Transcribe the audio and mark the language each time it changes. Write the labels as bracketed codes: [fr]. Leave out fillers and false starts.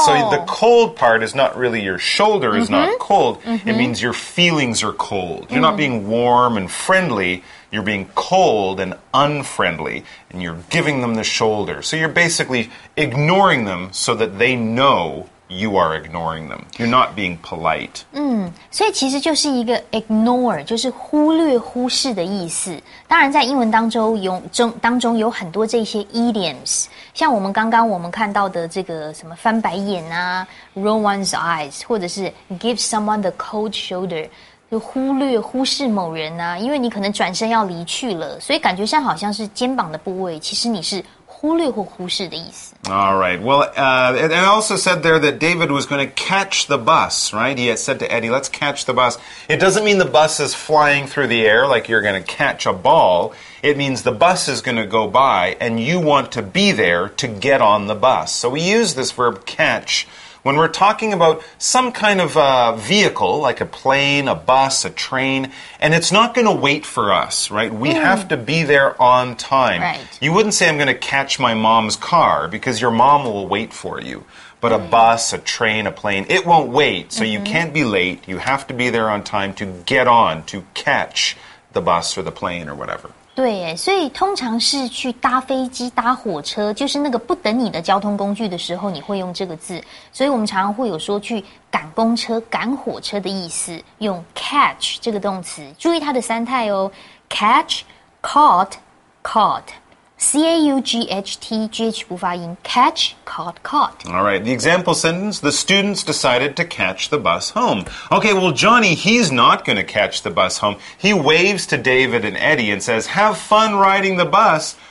[en] So the cold part is not really your shoulder is not cold. Mm-hmm. It means your feelings are cold. You're not being warm and friendly. You're being cold and unfriendly, and you're giving them the shoulder. So you're basically ignoring them so that they know you are ignoring them. You're not being polite. [zh] 所以其实就是一个 ignore, 就是忽略忽视的意思。当然在英文当中有很多这些 idioms, 像我们刚刚我们看到的这个什么翻白眼啊 [en] roll one's eyes, [zh] 或者是 [en] give someone the cold shoulder, [zh] 就忽略忽视某人啊，因为你可能转身要离去了，所以感觉上好像是肩膀的部位，其实你是忽略或忽视的意思。 [en] All right. Well, it also said there that David was going to catch the bus, right? He had said to Eddie, let's catch the bus. It doesn't mean the bus is flying through the air like you're going to catch a ball. It means the bus is going to go by and you want to be there to get on the bus. So we use this verb catch. When we're talking about some kind of vehicle, like a plane, a bus, a train, and it's not going to wait for us, right? We have to be there on time. Right. You wouldn't say, I'm going to catch my mom's car, because your mom will wait for you. But a bus, a train, a plane, it won't wait, so you can't be late. You have to be there on time to get on, to catch the bus or the plane or whatever. [zh] 对耶，所以通常是去搭飞机、搭火车，就是那个不等你的交通工具的时候，你会用这个字。所以我们常常会有说去赶公车、赶火车的意思，用 catch 这个动词。注意它的三态哦 ， [en] catch、caught、caught。 [zh] C-A-U-G-H-T-G-H 不发音 [en] Catch, caught, caught. All right, the example sentence, the students decided to catch the bus home. Okay, well, Johnny, he's not going to catch the bus home. He waves to David and Eddie and says, have fun riding the bus.